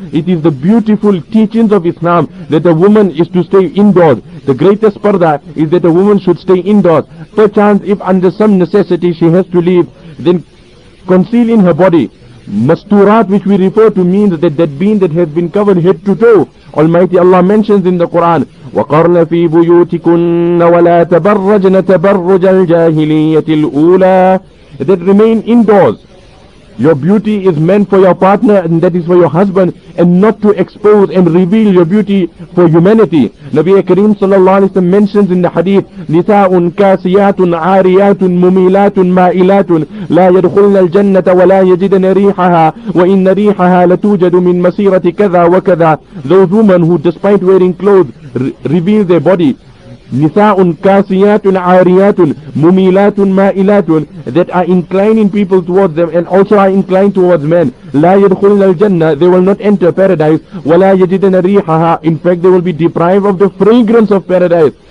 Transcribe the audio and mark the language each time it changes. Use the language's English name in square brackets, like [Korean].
[English] It is the beautiful teachings of Islam that a woman is to stay indoors. The greatest parda is that a woman should stay indoors. Perchance, if under some necessity she has to leave, then concealing her body. Masturat, which we refer to, means that being that has been covered head to toe. Almighty Allah mentions in the Quran, [Arabic] وَقَرْنَ فِي بُيُوتِكُنَّ وَلَا تَبَرَّجْنَ تَبَرُّجَ الْجَاهِلِيَّةِ الْأُولَى. [English] That remain indoors. Your beauty is meant for your partner, and that is for your husband, and not to expose and reveal your beauty for humanity. Nabi Kareem sallallahu alayhi wa sallam mentions in the hadith, [Arabic] نِسَاءٌ كَاسِيَاتٌ عَارِيَاتٌ مُمِيلَاتٌ مَائِلَاتٌ لَا يَدْخُلْنَ الْجَنَّةَ وَلَا يَجِدْنَ رِيحَهَا وَإِنَّ رِيحَهَا لَتُوجَدُ مِنْ مَسِيرَةِ كَذَا وَكَذَا. [English] Those women who, despite wearing clothes, reveal their body. [Arabic] نِسَاءٌ كَاسِيَاتٌ عَارِيَاتٌ مُمِيلَاتٌ مَائِلَاتٌ, [English] that are inclining people towards them and also are inclined towards men. [Arabic] لَا يَدْخُلْنَ الْجَنَّةِ, [English] they will not enter paradise. [Arabic] وَلَا يَجِدْنَ رِيحَهَا, [English] in fact they will be deprived of the fragrance of paradise.